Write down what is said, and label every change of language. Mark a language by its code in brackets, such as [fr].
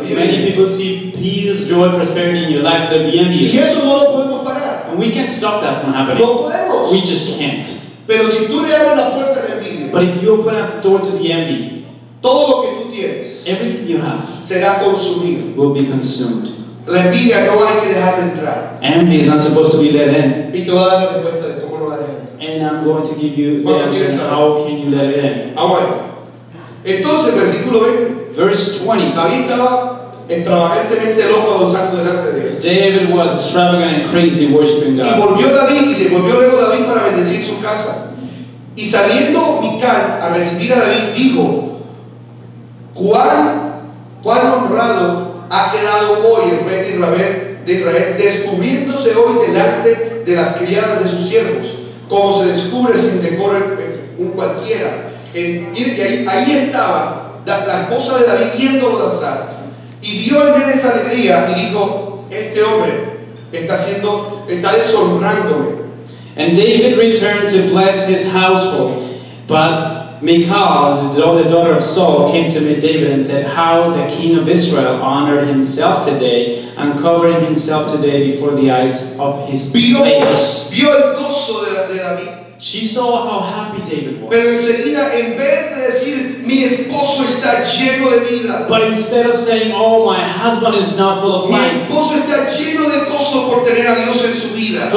[en] Many people see peace, joy, prosperity in your life. They'll be envious. [es] Y eso no lo podemos parar. [en] And we can't stop that from happening. [es] No podemos. [en] We just can't. [es] Pero si tú le abres la puerta a la envidia, [en] but if you open up the door to the envy, [es] todo lo que tú tienes, [en] everything you have, [es] será consumido. [en] Will be consumed. [es] La envidia no hay que dejar de entrar. [en] Envy is not supposed to be let in. [es] Y te voy a dar la respuesta de cómo lo va a dejar. [en] And I'm going to give you the answer. How can you let it in? [es] Entonces, versículo 20. [en] Verse 20. [es] David estaba extravagantemente loco adorando delante de Dios. [en] David was extravagant and crazy worshiping God. [es] Y volvió David, y se volvió luego David para bendecir su casa. Y saliendo Mical a recibir a David, dijo: ¿Cuán honrado ha quedado hoy el rey de Israel, descubriéndose hoy delante de las criadas de sus siervos, como se descubre sin decoro un cualquiera? Ahí estaba la esposa de David viéndolo danzar. Y vio en él esa alegría y dijo: este hombre está deshonrándome. [en] And David returned to bless his household, but Michal, the daughter of Saul, came to meet David and said, how the king of Israel honored himself today, uncovering himself today before the eyes of his [es] slaves. Vio el gozo de David. [en] She saw how happy David was. [es] Pero enseguida, en vez de decir, mi esposo está lleno de vida. [en] But instead of saying, oh, my husband is now full of life. [es] Mi esposo está lleno de gozo por tener a Dios en su vida.